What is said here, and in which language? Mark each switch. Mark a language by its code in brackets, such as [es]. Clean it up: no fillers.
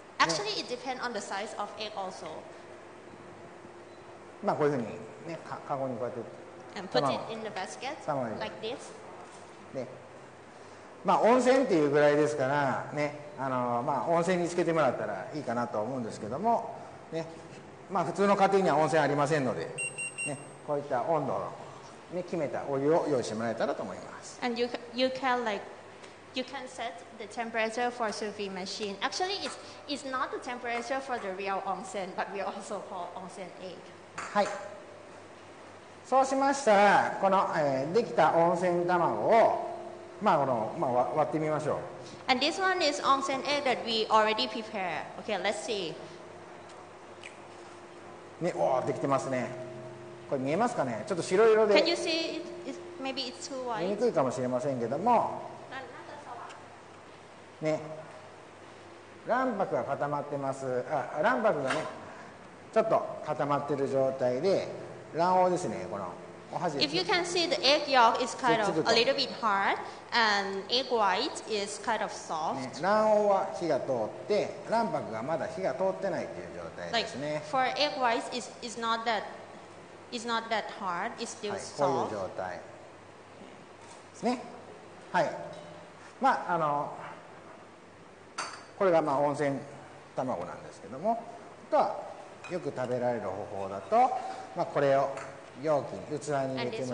[en] Actually, it depends on the size of egg also. [ja] まあこういうふうにね、カゴにこうやって。 [en] And put it in the basket like this. ね。 [ja] まあ温泉っていうぐらいですからね、あのまあ温泉につけてもらったらいいかなと思うんですけども、ね、まあ普通の家庭には温泉ありませんので、ね、こういった温度の。ね、決めたお湯を用意してもらえたらと思います。 [en] And you can like you can set the temperature for sous vide machine. Actually, it's not the temperature for the real onsen, but we also call onsen egg. はい。 [ja] そうしましたら、この、できた温泉卵をまあこのまあ割ってみましょう。 [en] And this one is onsen egg that we already prepared. Okay, let's see. [ja] ね、おお、できてますね。これ見えますかね、ちょっと白色で見にくいかもしれませんけども、ね、卵白が固まってます。あ、卵白がねちょっと固まってる状態で、卵黄ですね、このお箸で。 [en] If you can see the egg yolk is kind of a little bit hard and egg white is kind of soft、 [ja] ね、卵黄は火が通って卵白がまだ火が通ってないっていう状態ですね、 [en] like、For egg white is not thatIt's not that hard. It's still soft. [ja] はい、こういう状態ですね。はい。まああのこれがまあ温泉卵なんですけども、あとはよく食べられる方法だと、まあこれを容器に器に入れてもらって。